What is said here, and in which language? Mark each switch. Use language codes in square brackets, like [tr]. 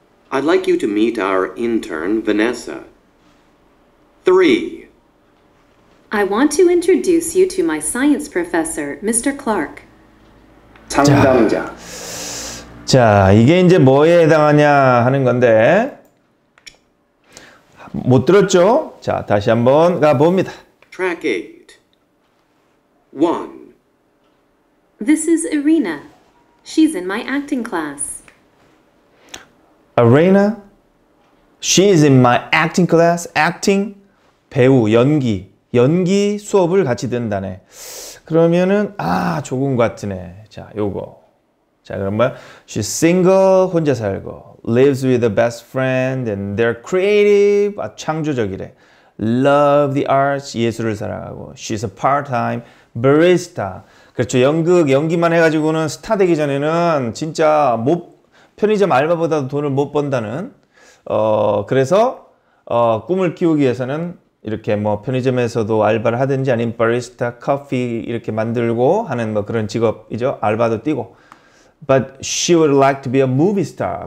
[en] I'd like you to meet our intern, Vanessa. 3. I want to introduce you to my science professor, Mr. Clark. [ko] 상담자. 자, 이게 이제 뭐에 해당하냐 하는 건데 못 들었죠? 자, 다시 한번 가봅니다. [en] Track 8. 1. This is Irina. She's in my acting class. Irina? She's in my acting class. Acting? [ko] 배우, 연기. 연기 수업을 같이 듣는다네. 그러면은 아, 좋은 것 같으네. 자, 요거. 자, 그러면 [en] she's single, [ko] 혼자 살고. [en] Lives with a best friend and they're creative. [ko] 아, 창조적이래. [en] Love the arts, [ko] 예술을 사랑하고. [en] She's a part-time barista. [ko] 그렇죠. 연극 연기만 해 가지고는 스타 되기 전에는 진짜 못 편의점 알바보다도 돈을 못 번다는 그래서 꿈을 키우기 위해서는 이렇게 뭐 편의점에서도 알바를 하든지 아니면 바리스타 커피 이렇게 만들고 하는 뭐 그런 직업이죠. 알바도 뛰고. [en] But she would like to be a movie star.